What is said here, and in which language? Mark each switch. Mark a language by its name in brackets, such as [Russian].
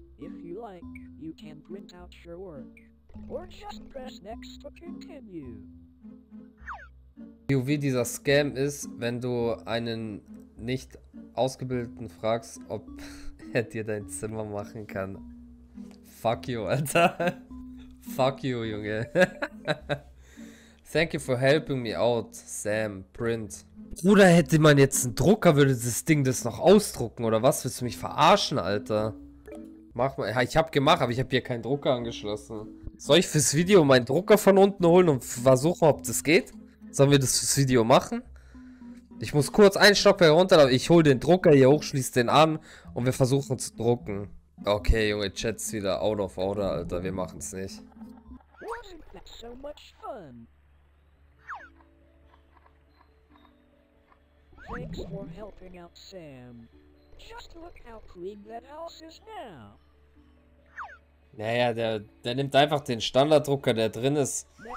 [English] If you like, you can print out your work. Or just press next to continue. [German] Wie dieser Scam ist, wenn du einen nicht Ausgebildeten fragst, ob er dir dein Zimmer machen kann. [English] Fuck you, Alter. Fuck you, Junge. Thank you for helping me out, Sam. Print. [German] Bruder, hätte man jetzt einen Drucker, würde das Ding das noch ausdrucken, oder was? Willst du mich verarschen, Alter? Mach mal. Ich hab gemacht, aber ich hab hier keinen Drucker angeschlossen. Soll ich fürs Video meinen Drucker von unten holen und versuchen, ob das geht? Sollen wir das fürs Video machen? Ich muss kurz einen Stock herunter, aber ich hole den Drucker hier hoch, schließe den an und wir versuchen zu drucken. Okay, Junge, Chat's wieder [English] out of order, [German] Alter. Wir machen's nicht. [English] Wasn't that so much fun? Thanks for helping out, Sam. Just look how clean that house is now. [German] Naja, der nimmt einfach den Standarddrucker, der drin ist.